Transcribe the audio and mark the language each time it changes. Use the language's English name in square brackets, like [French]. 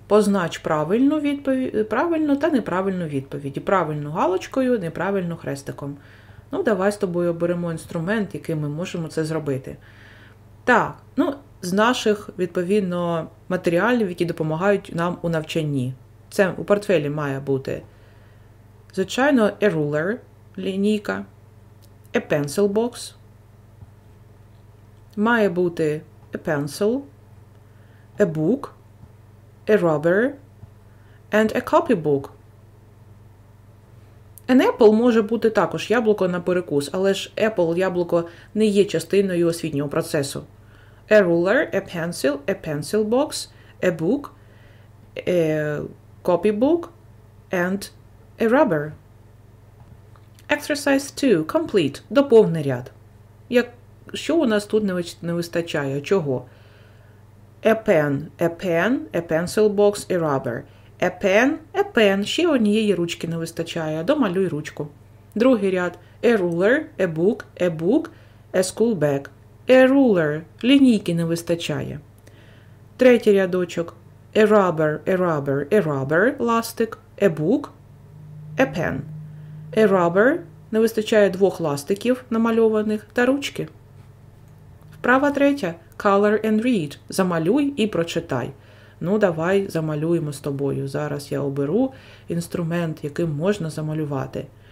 [Ukrainian] Познач правильну відповідь, правильну та неправильну відповідь. Правильну галочкою, неправильну хрестиком. Ну, давай з тобою оберемо інструмент, яким ми можемо це зробити. Так, ну, з наших, відповідно, матеріалів, які допомагають нам у навчанні. Це у портфелі має бути, звичайно, [English] a ruler, [Ukrainian] лінійка, [English] a pencil box, [Ukrainian] має бути [English] a pencil, a book, a rubber, and a copy book. [Ukrainian] An apple може бути також яблуко на перекус, але ж apple, яблуко, не є частиною освітнього процесу. [English] A ruler, a pencil box, a book, a copy book, and a rubber. Exercise 2. Complete. [Ukrainian] Доповни ряд. Що у нас тут не вистачає? Чого? [English] A pen, a pen, a pencil box, a rubber. A pen, [Ukrainian] ще однієї ручки не вистачає. Домалюй ручку. Другий ряд. [English] A ruler, a book, a school bag. A ruler, [Ukrainian] лінійки не вистачає. Третій рядочок. [English] A rubber, a rubber, a rubber, ластик. A book, a pen. A rubber, [Ukrainian] не вистачає двох ластиків намальованих та ручки. Вправа третя. [English] Color and read. [Ukrainian] Замалюй і прочитай. Ну, давай замалюємо з тобою. Зараз я оберу інструмент, яким можна замалювати.